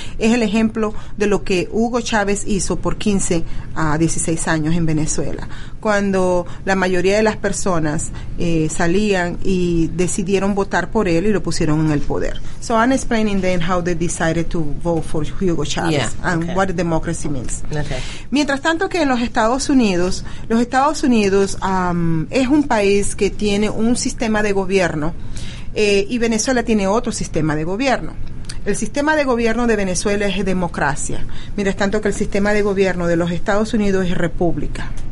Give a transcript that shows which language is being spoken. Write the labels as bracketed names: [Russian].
[Spanish] Es el ejemplo de lo que Hugo Chávez hizo por 15 a 16 años en Venezuela, cuando la mayoría de las personas salían y decidieron votar por él y lo pusieron en el poder. [English] So I'm explaining then how they decided to vote for Hugo Chávez what democracy means. Okay. [Spanish] Mientras tanto que en los Estados Unidos es un país que tiene un sistema de gobierno y Venezuela tiene otro sistema de gobierno. El sistema de gobierno de Venezuela es democracia, mientras tanto que el sistema de gobierno de los Estados Unidos es república.